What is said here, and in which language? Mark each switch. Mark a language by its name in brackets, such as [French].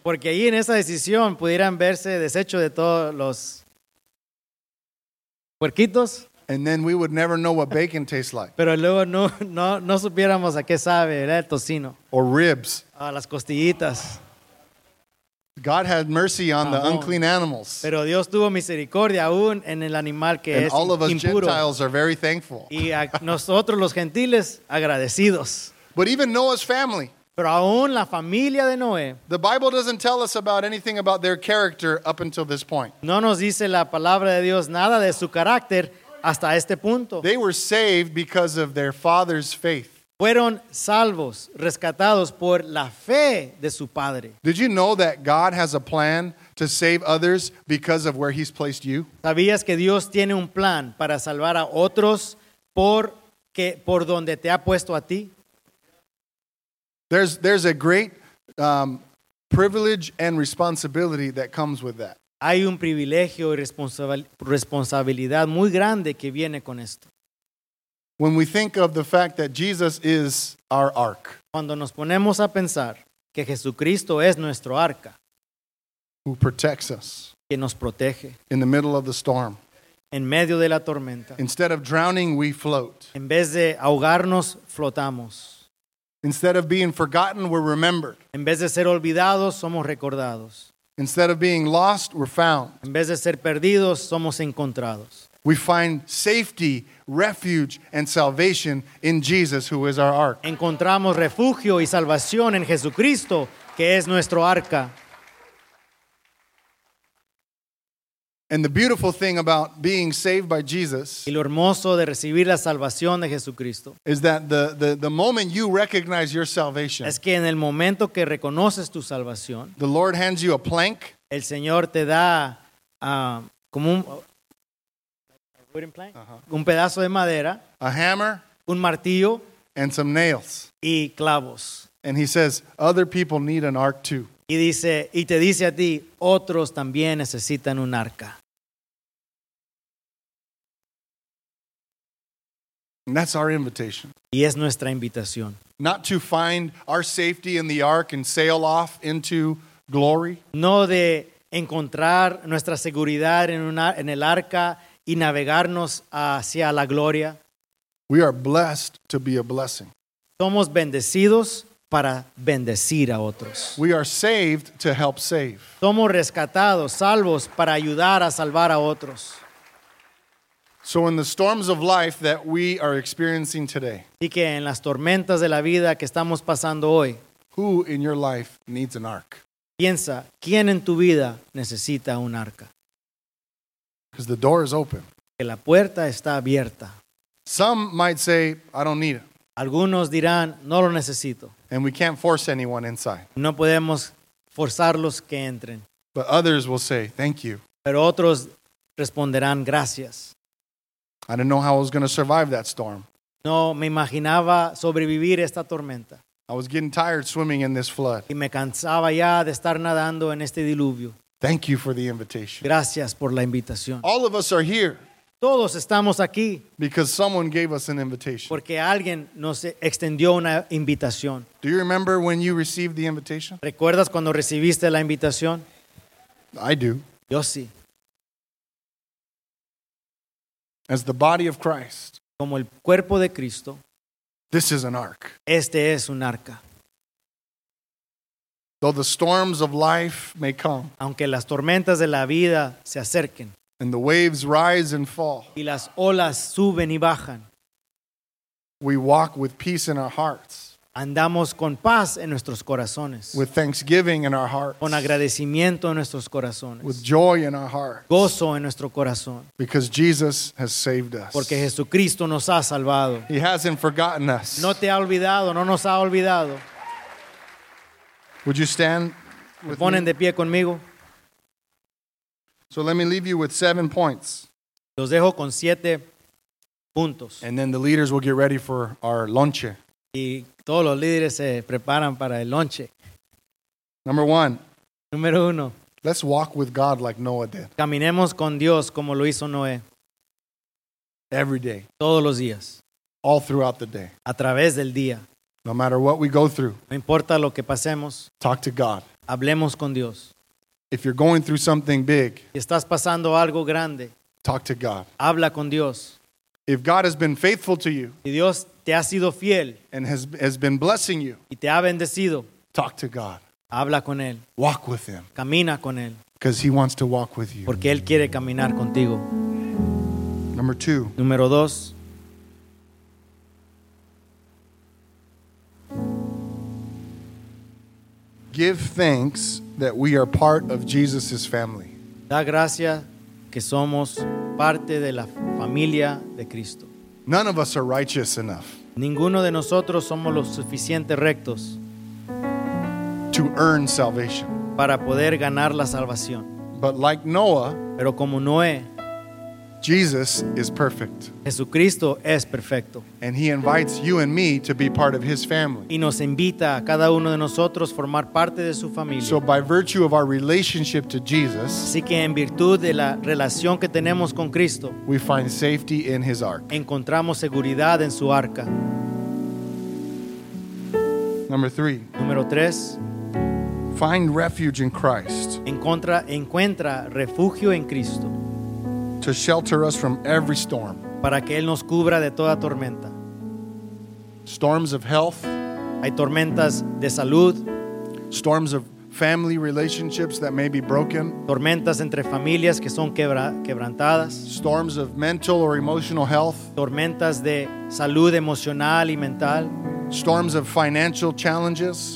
[Spanish] Porque ahí en esa decisión pudieran verse deshecho de todos los puerquitos. [English] And then we would never know what bacon tastes like. [Spanish] Pero luego no supiéramos a qué sabe el tocino. [English] Or ribs. [Spanish] A las costillitas. [English] God had mercy on the unclean animals. [Spanish] Pero Dios tuvo misericordia aún en el animal que [English] and [Spanish] es [English] all of us [Spanish] impuro. [English] Gentiles are very thankful. [Spanish] Y a nosotros los gentiles agradecidos. [English] But even Noah's family. [Spanish] Pero aún la familia de Noé. [English] The Bible doesn't tell us about anything about their character up until this point. [Spanish] No nos dice la palabra de Dios nada de su carácter hasta este punto. [English] They were saved because of their father's faith. [Spanish] Fueron salvos, rescatados por la fe de su padre. [English] Did you know that God has a plan to save others because of where he's placed you? [Spanish] ¿Sabías que Dios tiene un plan para salvar a otros por donde te ha puesto a ti? [English] There's a great privilege and responsibility that comes with that. [Spanish] Hay un privilegio y responsabilidad muy grande que viene con esto. [English] When we think of the fact that Jesus is our ark. [Spanish] Cuando nos ponemos a pensar que Jesucristo es nuestro arca. [English] Who protects us. [Spanish] Que nos protege. [English] In the middle of the storm. [Spanish] En medio de la tormenta. [English] Instead of drowning, we float. [Spanish] En vez de ahogarnos, flotamos. [English] Instead of being forgotten, we're remembered. [Spanish] En vez de ser olvidados, somos recordados. [English] Instead of being lost, we're found. [Spanish] En vez de ser perdidos, somos encontrados. [English] We find safety, refuge, and salvation in Jesus, who is our ark. [Spanish] Encontramos refugio y salvación en Jesucristo, que es nuestro arca. [English] And the beautiful thing about being saved by Jesus, [Spanish] y lo hermoso de recibir la salvación de Jesucristo, [English] is that the moment you recognize your salvation, [Spanish] es que en el momento que reconoces tu salvación, [English] the Lord hands you a plank. [Spanish] El Señor te da como un [English] wooden plank, [Spanish] un pedazo de madera, [English] a hammer, [Spanish] un martillo, [English] and some nails, [Spanish] y clavos. [English] And he says, other people need an ark too. [Spanish] Y te dice a ti, otros también necesitan un arca. [English] And that's our invitation. [Spanish] Y es nuestra invitación. [English] Not to find our safety in the ark and sail off into glory. [Spanish] No de encontrar nuestra seguridad en el arca y navegarnos hacia la gloria. [English] We are blessed to be a blessing. [Spanish] Somos bendecidos para bendecir a otros. [English] We are saved to help save. [Spanish] Somos rescatados, salvos para ayudar a salvar a otros. [English] So in the storms of life that we are experiencing today. [Spanish] Y que en las tormentas de la vida que estamos pasando hoy. [English] Who in your life needs an ark? [Spanish] Piensa, ¿quién en tu vida necesita un arca? [English] Because the door is open. [Spanish] Que la puerta está abierta. [English] Some might say, I don't need it. [Spanish] Algunos dirán, no lo necesito. [English] And we can't force anyone inside. [Spanish] No podemos forzarlos que entren. [English] But others will say, thank you. [Spanish] Pero otros responderán, gracias. [English] I didn't know how I was going to survive that storm. [Spanish] No me imaginaba sobrevivir esta tormenta. [English] I was getting tired swimming in this flood. [Spanish] Y me cansaba ya de estar nadando en este diluvio. [English] Thank you for the invitation. [Spanish] Gracias por la invitación. [English] All of us are here. [Spanish] Todos estamos aquí. [English] Because someone gave us an invitation. [Spanish] Porque alguien nos extendió una invitación. [English] Do you remember when you received the invitation? [Spanish] ¿Recuerdas cuando recibiste la invitación? [English] I do. [Spanish] Yo sí. [English] As the body of Christ. [Spanish] Como el cuerpo de Cristo. [English] This is an ark. [Spanish] Este es un arca. [English] Though the storms of life may come. [Spanish] Aunque las tormentas de la vida se acerquen. [English] And the waves rise and fall. [Spanish] Y las olas suben y bajan. [English] We walk with peace in our hearts. [Spanish] Andamos con paz en nuestros corazones. [English] With thanksgiving in our hearts. [Spanish] Con agradecimiento en nuestros corazones. [English] With joy in our hearts. [Spanish] Gozo en nuestro corazón. [English] Because Jesus has saved us. [Spanish] Porque Jesucristo nos ha salvado. [English] He hasn't forgotten us. [Spanish] No te ha olvidado, no nos ha olvidado. [English] Would you stand with me? [Spanish] De pie conmigo. [English] So let me leave you with 7 points. [Spanish] Los dejo con 7 puntos. [English] And then the leaders will get ready for our lunch. [Spanish] Y todos los líderes se preparan para el lunch. [English] Number one. [Spanish] Número uno. [English] Let's walk with God like Noah did. [Spanish] Caminemos con Dios como lo hizo Noé. [English] Every day. [Spanish] Todos los días. [English] All throughout the day. [Spanish] A través del día. [English] No matter what we go through. [Spanish] No importa lo que pasemos. [English] Talk to God. [Spanish] Hablemos con Dios. [English] If you're going through something big. [Spanish] Si estás pasando algo grande. [English] Talk to God. [Spanish] Habla con Dios. [English] If God has been faithful to you. [Spanish] Si Dios te ha sido fiel. [English] And has been blessing you. [Spanish] Y te ha bendecido. [English] Talk to God. [Spanish] Habla con Él. [English] Walk with Him. [Spanish] Camina con Él. [English] Because He wants to walk with you. [Spanish] Porque Él quiere caminar contigo. [English] Number two. [Spanish] Número dos. [English] Give thanks that we are part of Jesus' family. [Spanish] Da gracias que somos parte de la familia de Cristo. [English] None of us are righteous enough. [Spanish] Ninguno de nosotros somos lo suficiente rectos [English] to earn salvation. [Spanish] Para poder ganar la salvación. [English] But like Noah, [Spanish] pero como Noé, [English] Jesus is perfect. [Spanish] Jesucristo es perfecto. [English] And he invites you and me to be part of his family. [Spanish] Y nos invita a cada uno de nosotros formar parte de su familia. [English] So by virtue of our relationship to Jesus, [Spanish] así que en virtud de la relación que tenemos con Cristo, [English] we find safety in his ark. [Spanish] Encontramos seguridad en su arca. [English] Number three. [Spanish] Número tres. [English] Find refuge in Christ. [Spanish] Encuentra refugio en Cristo. [English] To shelter us from every storm. [Spanish] Para que Él nos cubra de toda tormenta. [English] Storms of health. [Spanish] Hay tormentas de salud. [English] Storms of family relationships that may be broken. [Spanish] Tormentas entre familias que son quebrantadas. [English] Storms of mental or emotional health. [Spanish] Tormentas de salud emocional y mental. [English] Storms of financial challenges.